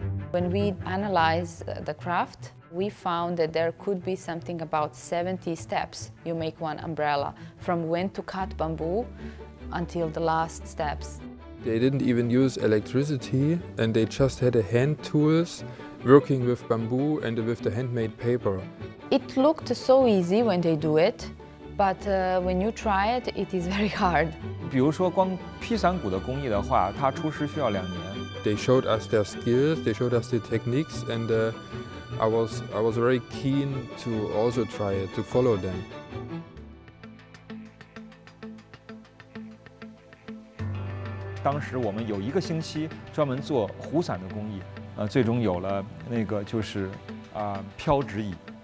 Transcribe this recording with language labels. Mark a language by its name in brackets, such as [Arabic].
[English] When we analyze the craft, we found that there could be something about 70 steps you make one umbrella, from when to cut bamboo until the last steps. They didn't even use electricity, and they just had a hand tools working with bamboo and with the handmade paper. It looked so easy when they do it, but when you try it, it is very hard. [Chinese] 比如说光劈伞骨的工艺的话，它初师需要两年。 [English] They showed us their skills, they showed us the techniques, and I was very keen to also try it, to follow them. We had a week to